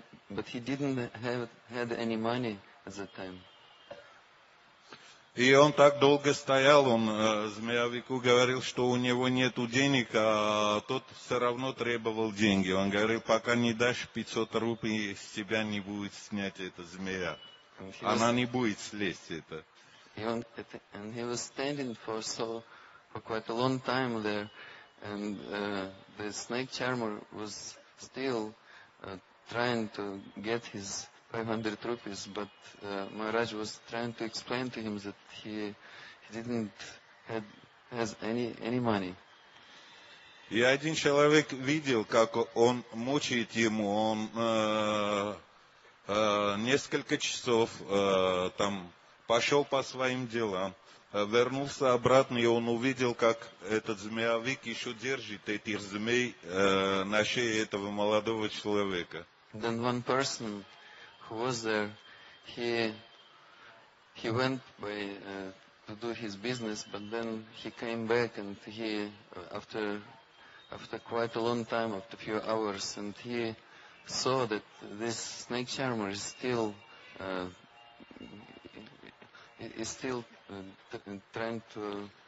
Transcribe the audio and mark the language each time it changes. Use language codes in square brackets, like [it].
[en] But he didn't have any money at the time. [ru] И он так долго стоял, он змеявику говорил, что у него нету денег, а тот все равно требовал деньги. Он говорил, пока не дашь 500 рупий, с тебя не будет снять эта змея. Она не будет слезть, это. [en] And he was standing for quite a long time there, and the snake charmer was still trying to get his 500 rupees, but Maharaj was trying to explain to him that he didn't have any money. [ru] И один человек видел, как он мучает ему, он несколько часов там пошел по своим делам, вернулся обратно, и он увидел, как этот змеявик еще держит этих змей на шее этого молодого человека. [en] Then one person who was there, he went by to do his business, but then he came back, and he after quite a long time, after a few hours, and he saw that this snake charmer is still trying to.